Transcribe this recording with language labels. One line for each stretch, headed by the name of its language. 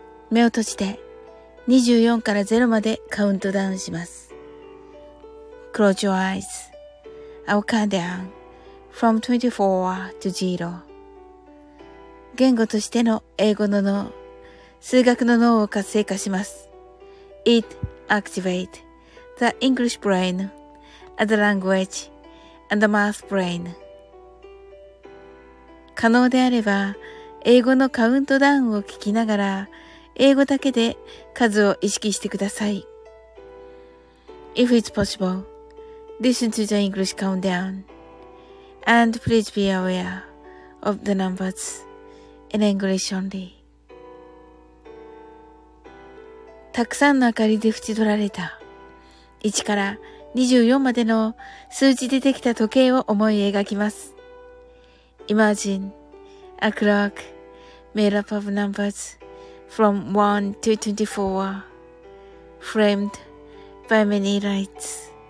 Japanese: 目を閉じて24から0までカウントダウンします。
English: Close your eyes. I'll count down from 24 to 0.
Japanese: 言語としての英語の脳数学の脳を活性化します。
English: It activates the English brain as the language and the math brain.
Japanese: 可能であれば、英語のカウントダウンを聞きながら、英語だけで数を意識してください。
English: If it's possible, listen to the English countdown. And please be aware of the numbers in English only.
Japanese: たくさんの明かりで縁取られた1から24までの数字でできた時計を思い描きます。
English: Imagine a clock made up of numbers from 1 to 24 framed by many lights.